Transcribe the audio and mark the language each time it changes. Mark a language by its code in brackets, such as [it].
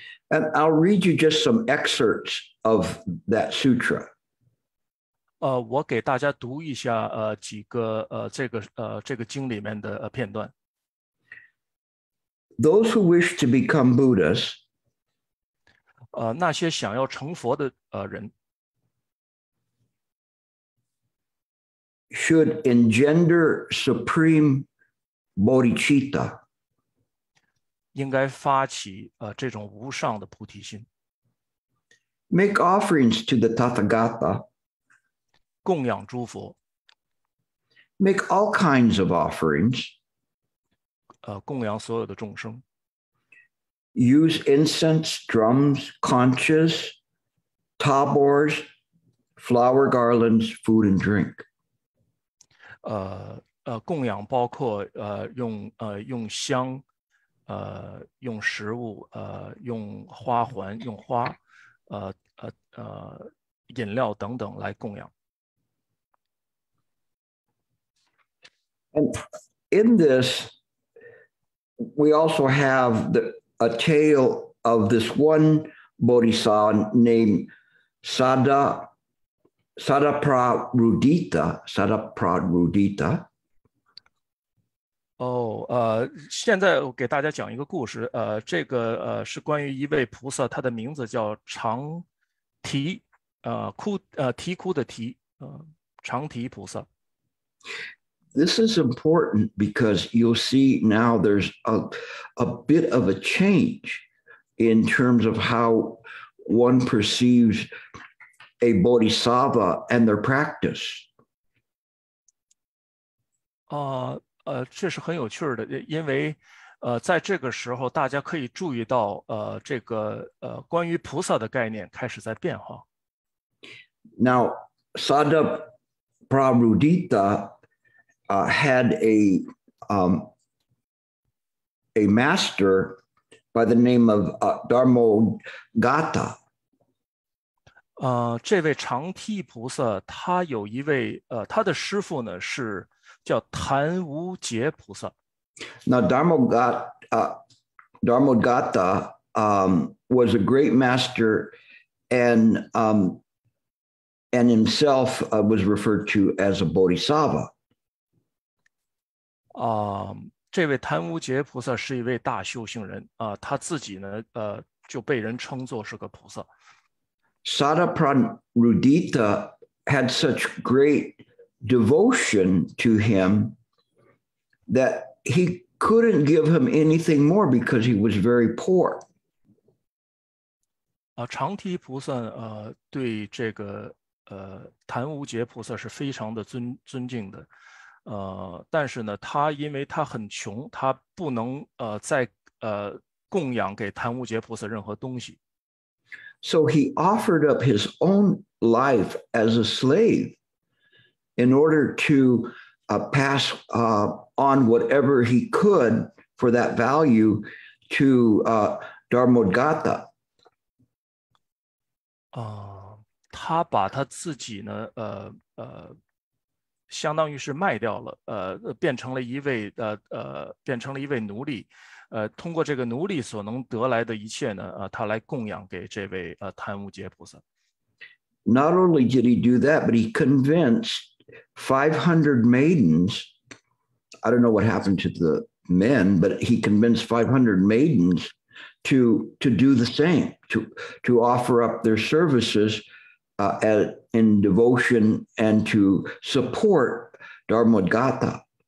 [en] And I'll read you just some excerpts of that sutra. [zh] 我给大家读一下几个这个经里面的片段。 [en] Those who wish to become Buddhas. [zh] 那些想要成佛的人。 [en] Should engender supreme bodhicitta. [zh] 应该发起这种无上的菩提心。 [en] Make offerings to the Tathagata. [zh] 供养诸佛。 [en] Make all kinds of offerings. [zh] 供养所有的众生。 [en] Use incense, drums, conches, tabors, flower garlands, food and drink. [zh] 供养包括用香，用食物，用花环，用花，饮料等等来供养。 [en] And in this, we also have a tale of this one bodhisattva named Sadaprarudita, [zh] 现在我给大家讲一个故事，这个是关于一位菩萨，他的名字叫长提，啼哭的啼，长提菩萨。 [en] This is important because you'll see now there's a bit of a change in terms of how one perceives a bodhisattva and their practice. [zh] 这是很有趣的，因为在这个时候大家可以注意到这个关于菩萨的概念开始在变化。 [en] Now, Sada Prabhudita had a master by the name of Dharma Gata. [zh] 这位长提菩萨他有一位他的师父呢是叫谭无杰菩萨。 [en] Now Dharmogata was a great master and himself was referred to as a bodhisattva. [zh] 这位谭无杰菩萨是一位大修行人他自己呢就被人称作是个菩萨。 [en] Sada Prabhudita had such great devotion to him that he couldn't give him anything more because he was very poor. [zh] 长提菩萨对这个谭无杰菩萨是非常的尊敬的但是呢他因为他很穷他不能再供养给谭无杰菩萨任何东西。 [en] So he offered up his own life as a slave in order to pass on whatever he could for that value to Dharmogata. [zh] 他把他自己呢相当于是卖掉了变成了一位变成了一位奴隶。通过这个奴隶所能得来的一切呢他来供养给这位谭无杰菩萨。 [en] Not only did he do that, but he convinced 500 maidens, I don't know what happened to the men, but he convinced 500 maidens to do the same, to offer up their services in devotion and to support Dharmogata.